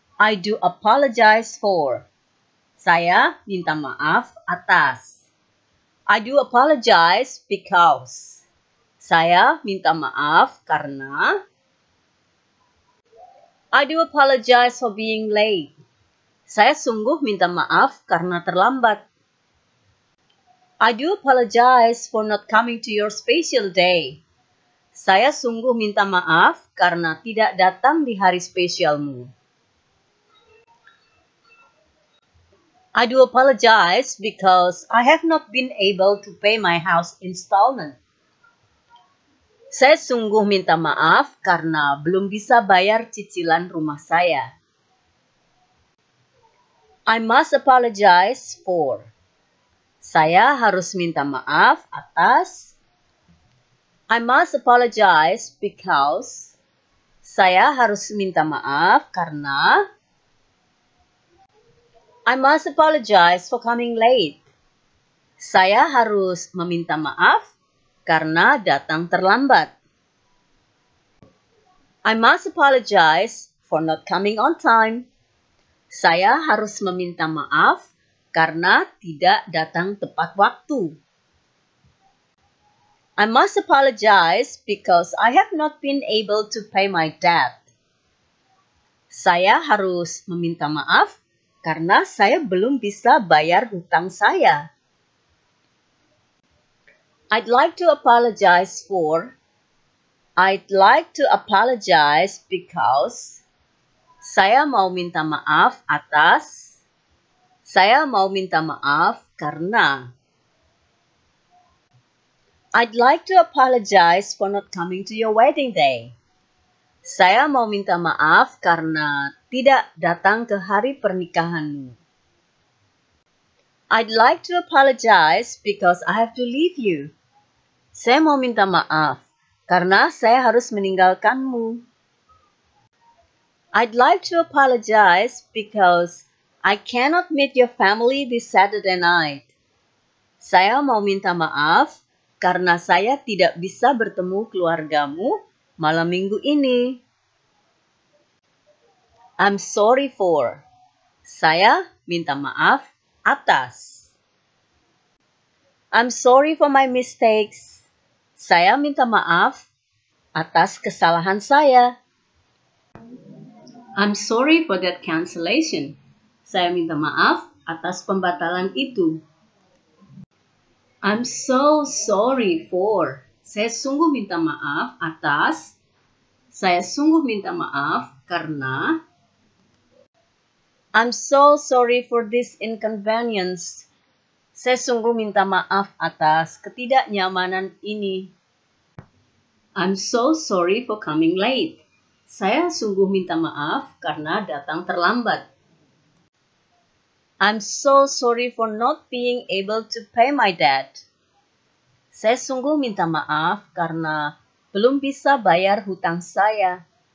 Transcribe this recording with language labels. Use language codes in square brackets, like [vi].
[en] I do apologize for. [id] Saya minta maaf atas. [en] I do apologize because. [id] Saya minta maaf karena. [en] I do apologize for being late. [id] Saya sungguh minta maaf karena terlambat. [en] I do apologize for not coming to your special day. [id] Saya sungguh minta maaf karena tidak datang di hari spesialmu. [en] I do apologize because I have not been able to pay my house installment. [id] Saya sungguh minta maaf karena belum bisa bayar cicilan rumah saya. [en] I must apologize for. [id] Saya harus minta maaf atas. [en] I must apologize because. [id] Saya harus minta maaf karena. [en] I must apologize for coming late. [id] Saya harus meminta maaf karena datang terlambat. [en] I must apologize for not coming on time. [id] Saya harus meminta maaf karena tidak datang tepat waktu. [en] I must apologize because I have not been able to pay my debt. [id] Saya harus meminta maaf karena saya belum bisa bayar hutang saya. [en] I'd like to apologize because. [id] Saya mau minta maaf atas. Saya mau minta maaf karena. [en] I'd like to apologize for not coming to your wedding day. [id] Saya mau minta maaf karena tidak datang ke hari pernikahanmu. [en] I'd like to apologize because I have to leave you. [id] Saya mau minta maaf karena saya harus meninggalkanmu. [en] I'd like to apologize because I cannot meet your family this Saturday night. [id] Saya mau minta maaf karena saya tidak bisa bertemu keluargamu malam minggu ini. [en] I'm sorry for. [id] Saya minta maaf atas. [en] I'm sorry for my mistakes. [id] Saya minta maaf atas kesalahan saya. [en] I'm sorry for that cancellation. [id] Saya minta maaf atas pembatalan itu. [en] I'm so sorry for. [id] Saya sungguh minta maaf atas. Saya sungguh minta maaf karena. [en] I'm so sorry for this inconvenience. [id] Saya sungguh minta maaf atas ketidaknyamanan ini. [en] I'm so sorry for coming late. [id] Saya sungguh minta maaf karena datang terlambat. [en] I'm so sorry for not being able to pay my debt. [id] Saya sungguh minta maaf karena belum bisa bayar hutang saya.